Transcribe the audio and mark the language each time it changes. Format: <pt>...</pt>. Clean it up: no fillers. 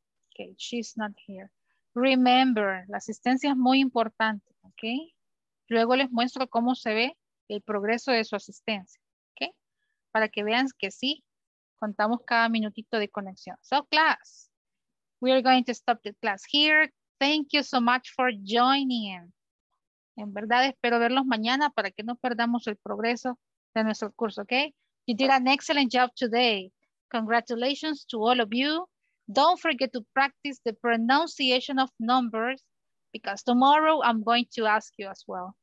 <en>Okay, she's not here. Remember,</en> <es>la asistencia es muy importante, ¿ok? Luego les muestro cómo se ve el progreso de su asistencia, ¿ok? Para que vean que sí, contamos cada minutito de conexión.</es> <en>So, class, we are going to stop the class here. Thank you so much for joining.</en> <es>En verdad, espero verlos mañana para que no perdamos el progreso de nuestro curso, ¿ok?</es> <en>You did an excellent job today. Congratulations to all of you. Don't forget to practice the pronunciation of numbers because tomorrow I'm going to ask you as well.</en>